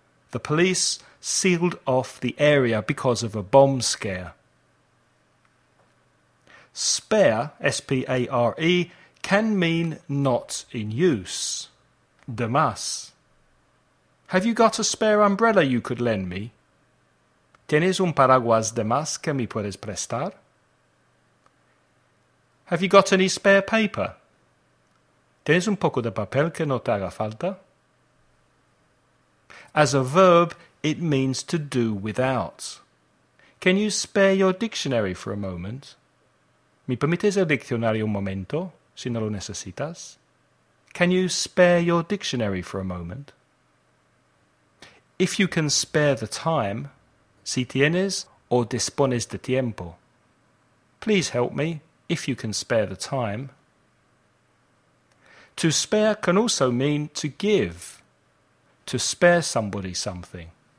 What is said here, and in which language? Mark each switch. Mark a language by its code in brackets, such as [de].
[en] The police sealed off the area because of a bomb scare. Spare, S-P-A-R-E, can mean not in use. [es] De más. [en] Have you got a spare umbrella you could lend me? [es] ¿Tienes un paraguas de más que me puedes prestar? [en] Have you got any spare paper? [es] ¿Tienes un poco de papel que no te haga falta? [en] As a verb, it means to do without. Can you spare your dictionary for a moment? [es] ¿Me permites el diccionario un momento, si no lo necesitas? [en] Can you spare your dictionary for a moment? If you can spare the time, [es] si tienes o dispones de tiempo. [en] Please help me, if you can spare the time. To spare can also mean to give, to spare somebody something.